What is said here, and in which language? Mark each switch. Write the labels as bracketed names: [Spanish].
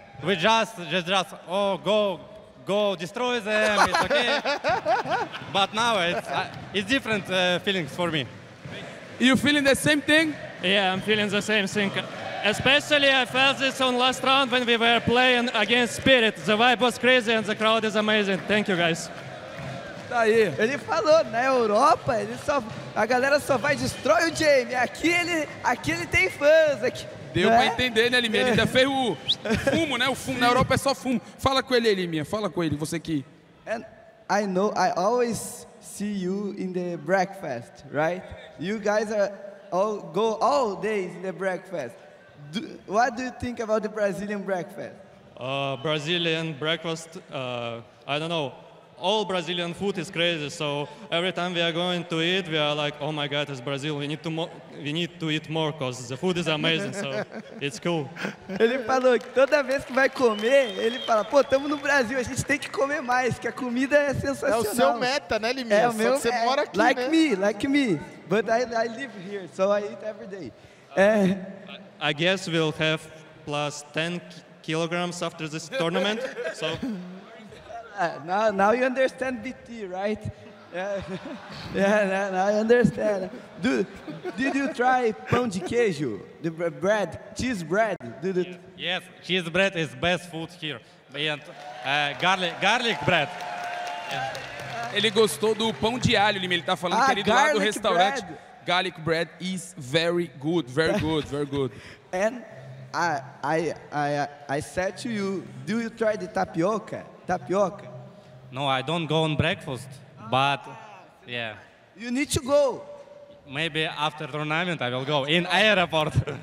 [English] We just oh, go destroy them, it's okay. But now it's different feelings for me. You feeling the same thing? Yeah, I'm feeling the same thing. Especially I felt this on last round when we were playing against Spirit. The vibe was crazy and the crowd is amazing. Thank you, guys. [Portuguese] Tá aí. Ele falou, na Europa, a galera só vai destrói o Jame. Aqui ele tem fãs. Aqui, deu, né? Pra entender, né, Liminha? Ele ainda fez o fumo, né? O fumo. Na Europa é só fumo. Fala com ele, Liminha. Fala com ele, você aqui. [English] And I know, I always see you in the breakfast, right? You guys go all days in the breakfast. What do you think about the Brazilian breakfast? Brazilian breakfast, I don't know. All Brazilian food is crazy, so every time we are going to eat, we are like, oh my God, it's Brazil, we need to eat more, because the food is amazing, so it's cool. [Portuguese] Ele falou que toda vez que vai comer, ele fala, pô, estamos no Brasil, a gente tem que comer mais, que a comida é sensacional. É o seu meta, né, Liminha? É o meu, você mora aqui, [English] like, [Portuguese] né? [English] like me, but I live here, so I eat every day. I guess we'll have plus 10 kilograms after this tournament, so... Now you understand BT, right? Yeah, I understand. Did you try pão de queijo? The bread, cheese bread? Yes, cheese bread is best food here. And garlic bread. Yeah. [Portuguese] Ele gostou do pão de alho, ele tá falando que ele do lado do restaurante. [English] Bread. Garlic bread is very good, very good, very good. And I said to you, do you try the tapioca? Tapioca? No, I don't go on breakfast, but yeah. You need to go. Maybe after tournament I will go in airport.